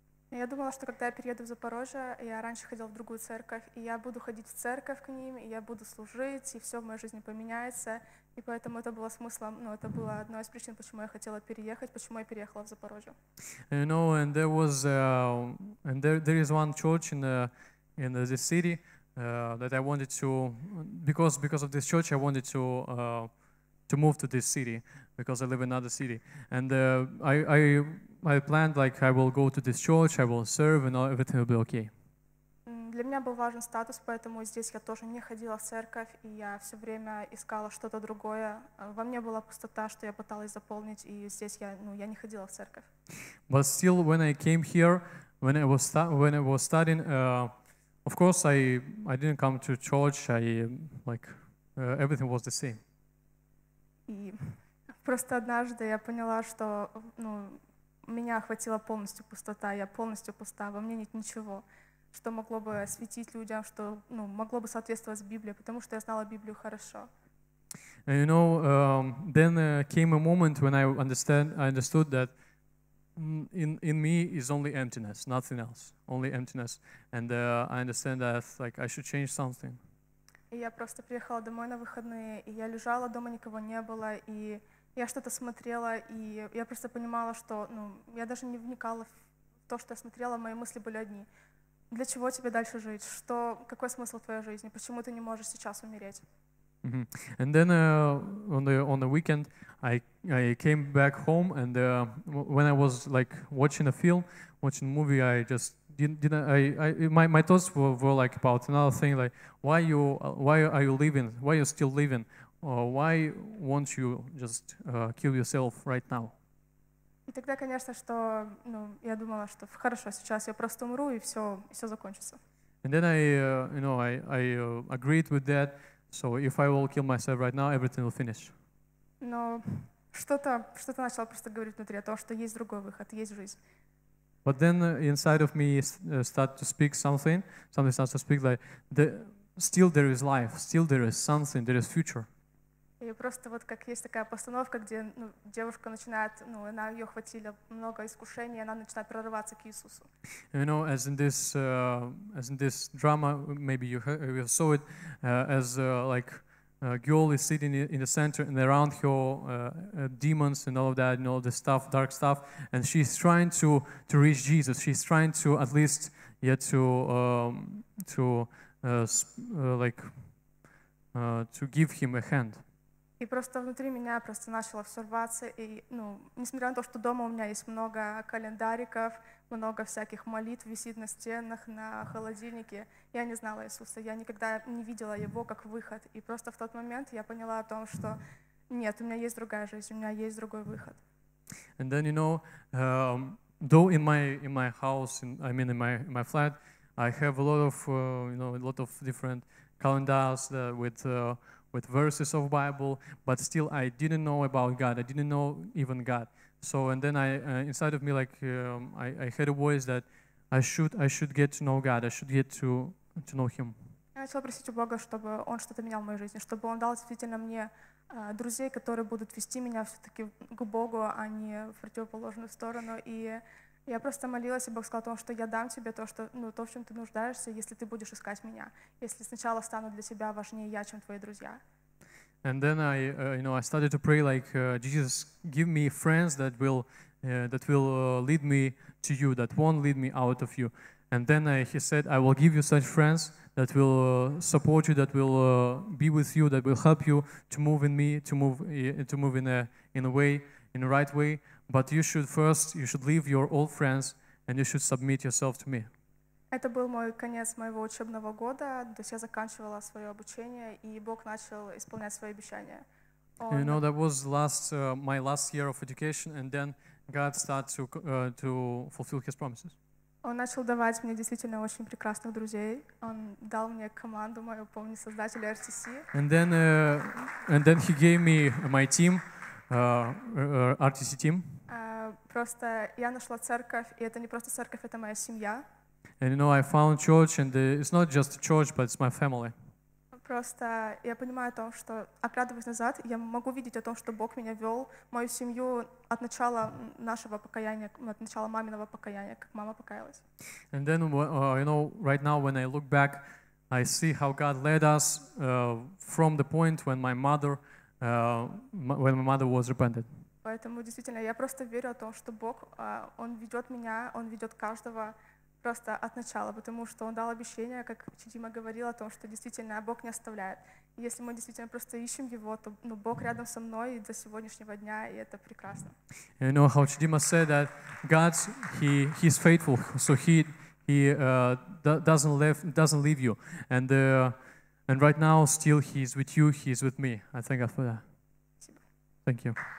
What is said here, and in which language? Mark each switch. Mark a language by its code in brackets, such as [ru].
[ru] Я думала, что когда я перееду в Запорожье, я раньше ходила в другую церковь, и я буду ходить в церковь к ним, и я буду служить, и все в моей жизни поменяется, и поэтому это было смыслом, но это было одной из причин, почему я хотела переехать, почему я переехала в Запорожье. [en] You know, and there was and there is one church in the city that I wanted to, because of this church, I wanted to move to this city, because I live in another city. And I I planned like I will go to this church, I will serve, and everything will be okay. [ru] Для меня был важен статус, поэтому здесь я тоже не ходила в церковь, и я все время искала что-то другое. Во мне была пустота, что я пыталась заполнить, и здесь я, ну, я не ходила в церковь. [en] But still, when I came here, when I was studying, of course, I didn't come to church. Everything was the same. [ru] И просто однажды я поняла, что, ну, меня охватила полностью пустота, я полностью пуста, во мне нет ничего, что могло бы осветить людям, что, ну, могло бы соответствовать Библии, потому что я знала Библию хорошо. [en] And, you know, then came a moment when I understood that in me is only emptiness, nothing else, only emptiness, and I understand that like I should change something. [ru] И я просто приехала домой на выходные, и я лежала дома, никого не было, и я что-то смотрела, и я просто понимала, что, ну, я даже не вникала в то, что я смотрела, мои мысли были одни. Для чего тебе дальше жить? Что, какой смысл твоей жизни? Почему ты не можешь сейчас умереть? Mm-hmm. [en] And then on the weekend I came back home, and when I was like watching a movie, I just didn't my thoughts were like about another thing, like why are you still living? Or why won't you just kill yourself right now? [ru] И тогда, конечно, что, ну, я думала, что хорошо, сейчас я просто умру, и все закончится. [en] And then I agreed with that. So if I will kill myself right now, everything will finish. [ru] Но что-то начало просто говорить внутри о том, что есть другой выход, есть жизнь. [en] But then inside of me start to speak something starts to speak like still there is life, still there is something, there is future. [ru] И просто вот как есть такая постановка, где, ну, девушка начинает, ну, она, ее хватило много искушений, она начинает прорываться к Иисусу. [en] You know, as in this drama, maybe you saw it, as girl is sitting in the center and around her demons and all of that and all the stuff, dark stuff, and she's trying to reach Jesus. She's trying to at least yet to give him a hand. [ru] И просто внутри меня просто начало все рваться, и, ну, несмотря на то, что дома у меня есть много календариков, много всяких молитв висит на стенах, на холодильнике, я не знала Иисуса, я никогда не видела Его как выход, и просто в тот момент я поняла о том, что нет, у меня есть другая жизнь, у меня есть другой выход. [en] And then, you know, though in my house, in my flat, I have a lot of, you know, a lot of different calendars with verses of Bible, but still I didn't know about God. I didn't know even God. So, and then I heard a voice that I should get to know God. I should get to know Him. [ru] Я начала просить у Бога, чтобы Он что-то менял в моей жизни, чтобы Он дал действительно мне друзей, которые будут вести меня все-таки к Богу, а не в противоположную сторону. И я просто молилась, и Бог сказал о том, что я дам тебе то, что, ну, то, в чем ты нуждаешься, если ты будешь искать меня, если сначала стану для тебя важнее я, чем твои друзья. [en] And then I, you know, I started to pray like, Jesus, give me friends that will lead me to you, that won't lead me out of you. And then he said, I will give you such friends that will support you, that will be with you, that will help you to move in me, to move in the right way. But you should leave your old friends and you should submit yourself to me. [ru] Это был мой конец моего учебного года, то есть я заканчивала свое обучение, и Бог начал исполнять свои обещания. [en] You know, that was my last year of education, and then God started to fulfill His promises. [ru] Он начал давать мне действительно очень прекрасных друзей. Он дал мне команду мою, помню, создателя RTC. [en] And then He gave me my team. RTC team. [ru] Просто я нашла церковь, и это не просто церковь, это моя семья. [en] And, you know, I found church, and it's not just a church, but it's my family. [ru] Просто я понимаю о том, что, оглядываясь назад, я могу видеть о том, что Бог меня вел, мою семью от начала нашего покаяния, от начала маминого покаяния, как мама покаялась. [en] And then, you know, right now, when I look back, I see how God led us from the point when my mother was repented. [ru] Поэтому действительно я просто верю о том, что Бог, Он ведет меня, Он ведет каждого просто от начала, потому что он дал обещание, как Чидима говорил, о том, что действительно Бог не оставляет. Если мы действительно просто ищем его, то ну, Бог рядом со мной до сегодняшнего дня, и это прекрасно. [en] You know how Chidima said that God, he is faithful, so he doesn't leave you. And right now still he is with you, he is with me. I thank God for that. Thank you.